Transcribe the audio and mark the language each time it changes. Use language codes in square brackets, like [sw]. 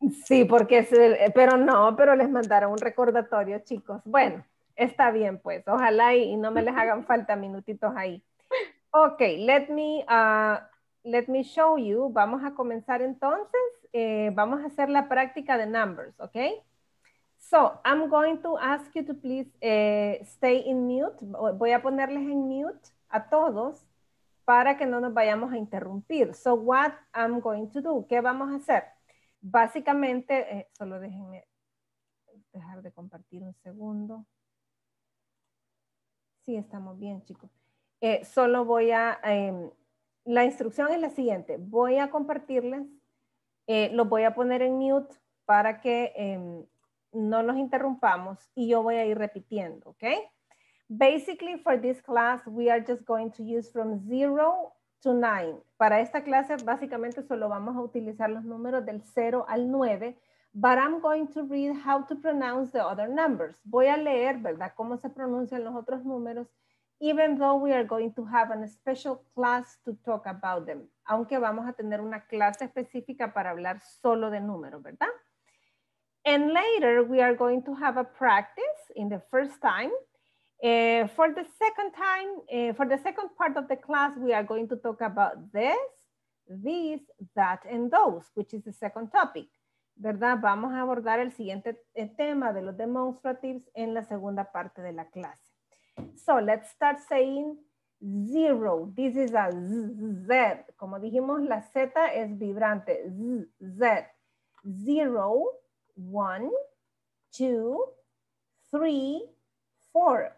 [es] Sí, porque es el, pero les mandaron un recordatorio, chicos. Bueno, está bien, pues. Ojalá y no me les hagan falta minutitos ahí. [en] Ok, let me show you. [es] Vamos a comenzar entonces. Vamos a hacer la práctica de numbers, ¿ok? [en] So, I'm going to ask you to please stay in mute. [es] Voy a ponerles en mute a todos para que no nos vayamos a interrumpir. [en] So, what I'm going to do? [es] ¿Qué vamos a hacer? Básicamente, solo déjenme dejar de compartir un segundo. Sí, estamos bien, chicos. Solo voy a, la instrucción es la siguiente. Voy a compartirles, los voy a poner en mute para que no nos interrumpamos y yo voy a ir repitiendo, ¿ok? [en] Basically, for this class, we are just going to use from 0 to 9. [es] Para esta clase, básicamente, solo vamos a utilizar los números del 0 al 9, [en] but I'm going to read how to pronounce the other numbers. [es] Voy a leer, ¿verdad?, cómo se pronuncian los otros números, [en] even though we are going to have a special class to talk about them. [es] Aunque vamos a tener una clase específica para hablar solo de números, ¿verdad? [en] And later, we are going to have a practice in the first time. For the second part of the class, we are going to talk about this, these, that, and those, which is the second topic. [es] ¿Verdad? Vamos a abordar el siguiente tema de los demonstratives en la segunda parte de la clase. [en] So let's start saying zero. This is a z. [es] Como dijimos, la z es vibrante. Z. [en] Zero, 1, 2, 3, 4.